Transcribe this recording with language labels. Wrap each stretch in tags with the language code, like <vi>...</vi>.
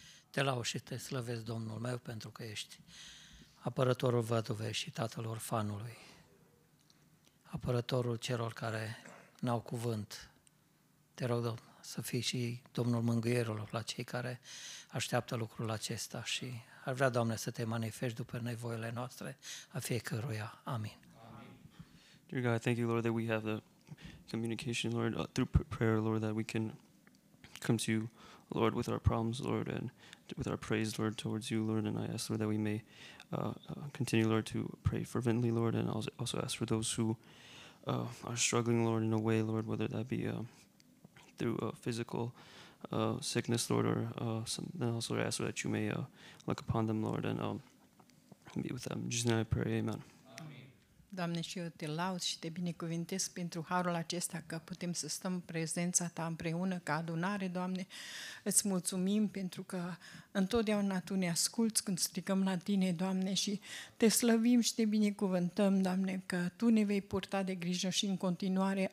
<ro>Te lau și Te slăvesc, Domnul meu, pentru că ești apărătorul văduvei și tatăl orfanului, apărătorul celor care n-au cuvânt. Te rog, Domnul, să fii și Domnul mângâierilor la cei care așteaptă lucrul acesta și ar vrea, Doamne, să Te manifesti după nevoile noastre a fiecăruia. Amin.</ro> <en>Dear God, thank You, Lord, that we have the communication, Lord, through prayer, Lord, that we can come to You, Lord, with our problems, Lord, and with our praise, Lord, towards You, Lord, and I ask, Lord, that we may continue, Lord, to pray fervently, Lord, and also ask for those who are struggling, Lord, in a way, Lord, whether that be through a physical sickness, Lord, or something else, Lord, I ask that You may look upon them, Lord, and be with them. Just now I pray, amen.</en> <ro>Doamne, și eu Te laud și Te binecuvintesc pentru harul acesta că putem să stăm în prezența Ta împreună ca adunare, Doamne. Îți mulțumim pentru că întotdeauna Tu ne asculți când strigăm la Tine, Doamne, și Te slăvim și Te binecuvântăm, Doamne, că Tu ne vei purta de grijă și în continuare.</ro>